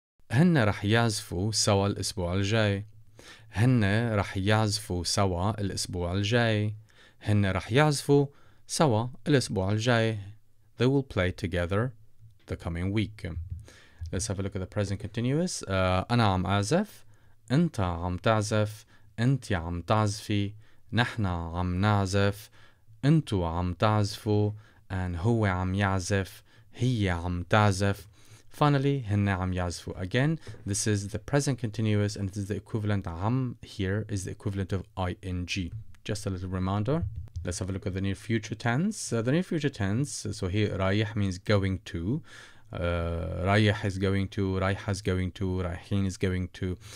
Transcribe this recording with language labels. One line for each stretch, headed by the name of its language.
Arabic: هن رح يعزفوا سوا الأسبوع الجاي. هن رح يعزفوا سوا الأسبوع الجاي. هن رح يعزفوا سوا الأسبوع الجاي.
English: They will play together the coming week. Let's have a look at the present continuous.
Arabic: أنا عم أعزف, أنت عم تعزف, أنت عم تعزفي, نحن عم نعزف, أنتو عم تعزفوا, and هو عم يعزف, هي عم تعزف. Finally, هن عم يعزفوا.
English: Again, this is the present continuous, and this is the equivalent عم here is the equivalent of ing. Just a little reminder. Let's have a look at the near future tense. The near future tense, so here رايح means going to. رايح is going to, رايح is going to, رايحين is going to.